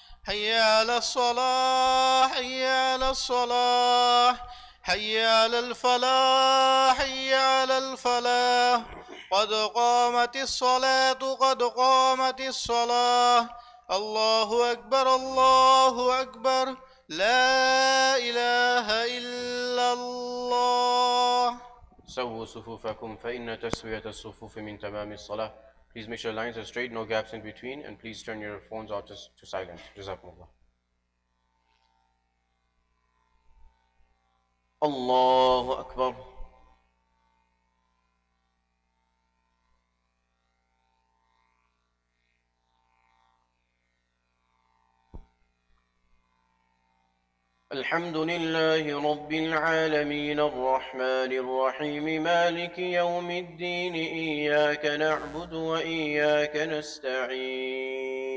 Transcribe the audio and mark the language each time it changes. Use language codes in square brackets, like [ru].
[ar] حي على الصلاة حي على الصلاة حي على الفلاح حي على الفلاح قد قامت الصلاة قد قامت الصلاة الله أكبر الله أكبر لا إله إلا الله سووا صفوفكم فإن تسوية الصفوف من تمام الصلاة [en] Please make sure lines are straight, no gaps in between and please turn your phones off to silent. [ar] جزاكم الله الله أكبر الحمد لله رب العالمين الرحمن الرحيم مالك يوم الدين إياك نعبد وإياك نستعين